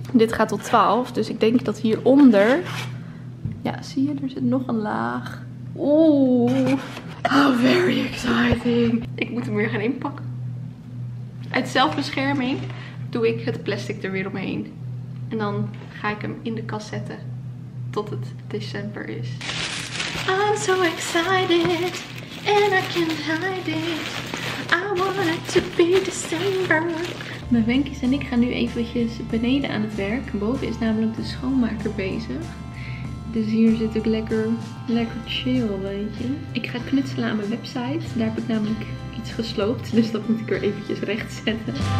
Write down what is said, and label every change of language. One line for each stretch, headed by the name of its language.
Dutch: Dit gaat tot 12, dus ik denk dat hieronder. Ja, zie je, er zit nog een laag.
English: Oeh. How very exciting.
Dutch: Ik moet hem weer gaan inpakken. Uit zelfbescherming doe ik het plastic er weer omheen. En dan ga ik hem in de kast zetten tot het december is.
English: I'm so excited and I can't hide it. I want it to be December.
Dutch: Mijn wenkies en ik gaan nu eventjes beneden aan het werk. Boven is namelijk de schoonmaker bezig. Dus hier zit ik lekker chill, weet je. Ik ga knutselen aan mijn website. Daar heb ik namelijk iets gesloopt. Dus dat moet ik er eventjes recht zetten.